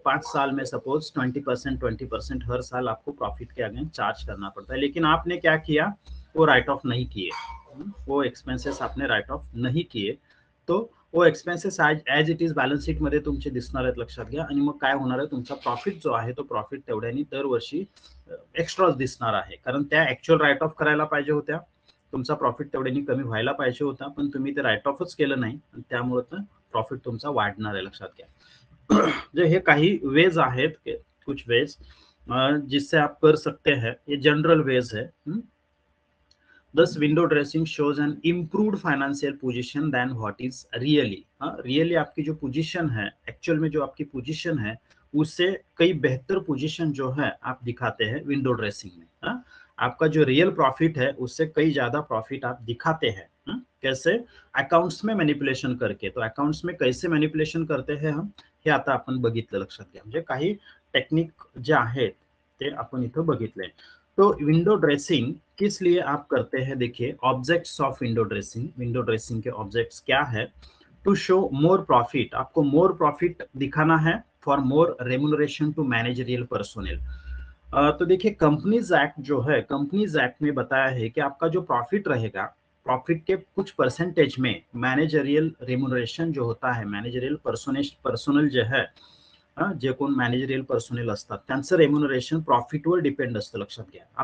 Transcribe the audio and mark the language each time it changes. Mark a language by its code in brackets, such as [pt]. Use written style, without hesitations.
[hi] 5 साल में सपोज 20% 20% हर साल आपको प्रॉफिट के अगेंस्ट चार्ज करना पड़ता है, लेकिन आपने क्या किया, वो राइट ऑफ नहीं किए, वो एक्सपेंसेस आपने राइट ऑफ नहीं किए, तो वो एक्सपेंसेस आज as it is [mr] balance sheet मध्ये तुमचे दिसणार आहेत, लक्षात घ्या. आणि मग काय होणार आहे, तुमचा प्रॉफिट जो आहे तो प्रॉफिट तेवढ्यानी दरवर्षी एक्स्ट्रा दिसणार आहे, कारण त्या ऍक्च्युअल राईट ऑफ करायला पाहिजे होत्या, तुमचा प्रॉफिट तेवढ्यानी कमी व्हायला पाहिजे होता, पण तुम्ही ते राईट ऑफच केलं नाही, त्यामुळे तर प्रॉफिट तुमचा वाढणार आहे, लक्षात घ्या. जे हे काही वेज आहेत, [hi] कुछ वेज जिससे आप कर सकते हैं, ये जनरल वेज है. [en] Thus, window dressing shows an improved financial position than what is really. [hi] Really, आपकी जो position है, actual में जो आपकी position है, उससे कई बेहतर position जो है, आप दिखाते हैं window dressing में. आपका जो real profit है, उससे कई ज्यादा profit आप दिखाते हैं. कैसे? Accounts में manipulation करके. तो accounts में कैसे manipulation करते हैं हम, [mr] हे आता आपण बघितलं, लक्षात घ्या. म्हणजे काही टेक्निक जे आहेत ते आपण इथं बघितले. [hi] तो विंडो ड्रेसिंग किस लिए आप करते हैं, देखिए ऑब्जेक्ट्स ऑफ विंडो ड्रेसिंग के ऑब्जेक्ट्स क्या है, टू शो मोर प्रॉफिट, आपको मोर प्रॉफिट दिखाना है, for more remuneration to managerial personnel. तो देखिए कंपनीज एक्ट जो है, कंपनीज एक्ट में बताया है कि आपका जो प्रॉफिट रहेगा, प्रॉफिट के कुछ परसेंटेज में मैनेजरियल रेमुनरेशन जो होता है, मैनेजरियल पर्सोनल जो है, [mr] जे कोण मॅनेजरियल पर्सोनल असतात त्यांचं रेम्युनरेशन प्रॉफिटवर डिपेंड असतं, लक्षात घ्या.